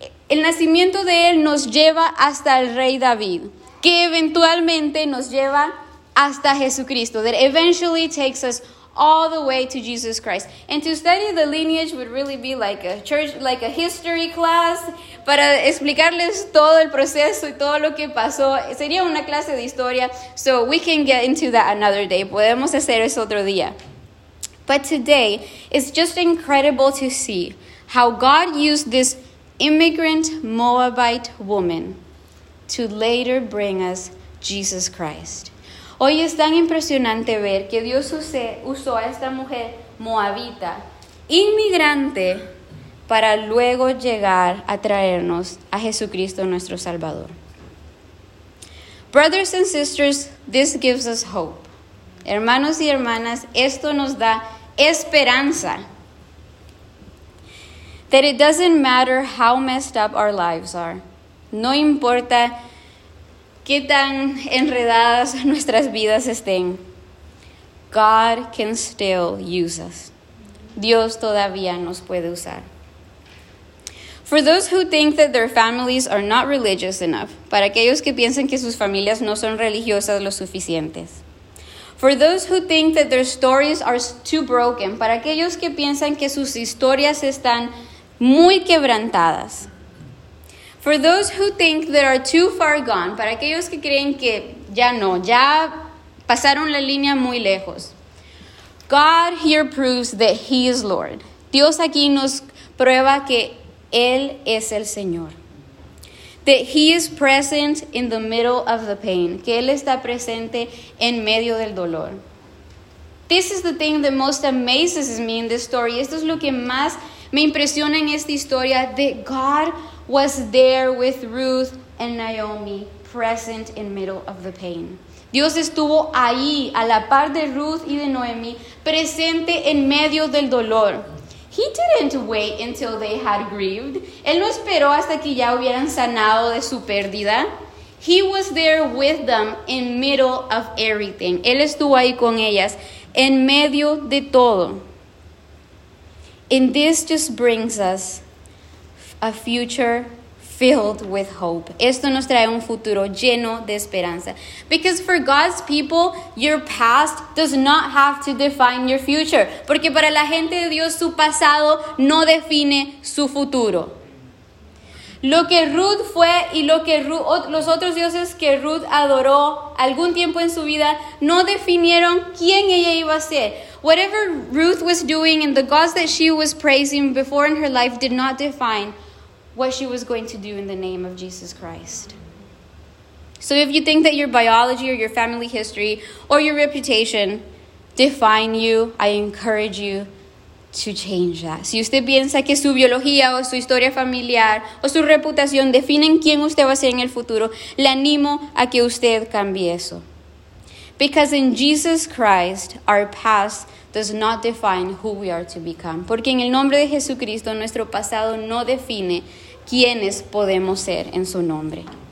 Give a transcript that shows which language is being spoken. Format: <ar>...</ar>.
<es>El nacimiento de él nos lleva hasta el rey David, que eventualmente nos lleva hasta Jesucristo,</es> <en>that eventually takes us all the way to Jesus Christ. And to study the lineage would really be like a church, like a history class.</en> <es>Para explicarles todo el proceso y todo lo que pasó, sería una clase de historia.</es> <en>So we can get into that another day.</en> <es>Podemos hacer eso otro día.</es> <en>But today, it's just incredible to see how God used this immigrant Moabite woman to later bring us Jesus Christ.</en> <es>Hoy es tan impresionante ver que Dios usó a esta mujer moabita, inmigrante, para luego llegar a traernos a Jesucristo nuestro Salvador.</es> <en>Brothers and sisters, this gives us hope.</en> <es>Hermanos y hermanas, esto nos da esperanza.</es> <en>That it doesn't matter how messed up our lives are.</en> <es>No importa qué tan enredadas nuestras vidas estén.</es> <en>God can still use us.</en> <es>Dios todavía nos puede usar.</es> <en>For those who think that their families are not religious enough,</en> <es>para aquellos que piensan que sus familias no son religiosas lo suficientes.</es> <en>For those who think that their stories are too broken,</en> <es>para aquellos que piensan que sus historias están muy quebrantadas.</es> <en>For those who think they are too far gone,</en> <es>para aquellos que creen que ya no, ya pasaron la línea muy lejos.</es> <en>God here proves that He is Lord.</en> <es>Dios aquí nos prueba que Él es el Señor.</es> <en>That He is present in the middle of the pain.</en> <es>Que Él está presente en medio del dolor.</es> <en>This is the thing that most amazes me in this story.</en> <es>Esto es lo que más me impresiona en esta historia.</es> <en>That God was there with Ruth and Naomi, present in the middle of the pain.</en> <es>Dios estuvo ahí, a la par de Ruth y de Noemi, presente en medio del dolor.</es> <en>He didn't wait until they had grieved.</en> <es>Él no esperó hasta que ya hubieran sanado de su pérdida.</es> <en>He was there with them in the middle of everything.</en> <es>Él estuvo ahí con ellas, en medio de todo.</es> <en>And this just brings us a future filled with hope.</en> <es>Esto nos trae un futuro lleno de esperanza.</es> <en>Because for God's people, your past does not have to define your future.</en> <es>Porque para la gente de Dios, su pasado no define su futuro. Lo que Ruth fue y lo que los otros dioses que Ruth adoró algún tiempo en su vida no definieron quién ella iba a ser.</es> <en>Whatever Ruth was doing and the gods that she was praising before in her life did not define what she was going to do in the name of Jesus Christ. So if you think that your biology or your family history or your reputation define you, I encourage you to change that.</en> <es>Si usted piensa que su biología o su historia familiar o su reputación definen quién usted va a ser en el futuro, le animo a que usted cambie eso.</es> <en>Because in Jesus Christ, our past does not define who we are to become.</en> <es>Porque en el nombre de Jesucristo, nuestro pasado no define quiénes podemos ser en su nombre.</es>